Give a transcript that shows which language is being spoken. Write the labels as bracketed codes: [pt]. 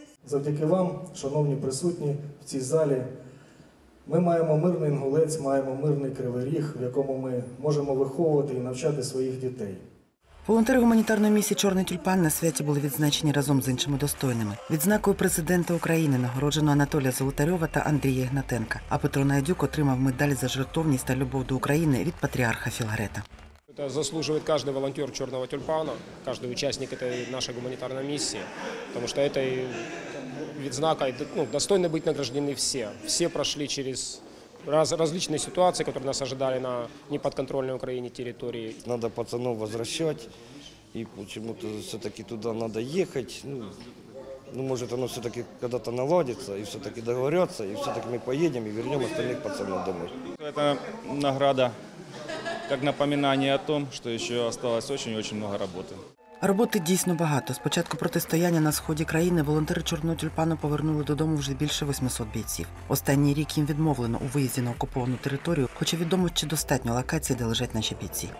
[uk] Завдяки вам, шановні присутні в цій залі, ми маємо мирний Інгулець, маємо мирний Кривий Ріг, в якому ми можемо виховувати і навчати своїх дітей. Волонтери гуманітарної місії «Чорний тюльпан» на святі були відзначені разом з іншими достойними. Відзнакою президента України нагороджено Анатолія Золотарьова та Андрія Ігнатенка, а Петро Найдюк отримав медаль за жертовність та любов до України від патріарха Філарета. [ru] Это заслуживает каждый волонтер «Черного тюльпана», каждый участник этой нашей гуманитарной миссии, потому что это відзнака, ну, достойны быть награждены все. Все прошли через различные ситуации, которые нас ожидали на неподконтрольной Украине территории. Надо пацанов возвращать, и почему-то все-таки туда надо ехать. Ну, может, оно все-таки когда-то наладится, и все-таки договорятся, и все-таки мы поедем и вернем остальных пацанов домой. Это награда. [uk] Як напоминання про те, що ще залишилося дуже-дуже багато роботи. Роботи дійсно багато. Спочатку протистояння на сході країни волонтери «Чорного тюльпану» повернули додому вже більше 800 бійців. Останній рік їм відмовлено у виїзді на окуповану територію, хоча відомо, чи достатньо локацій, де лежать наші бійці.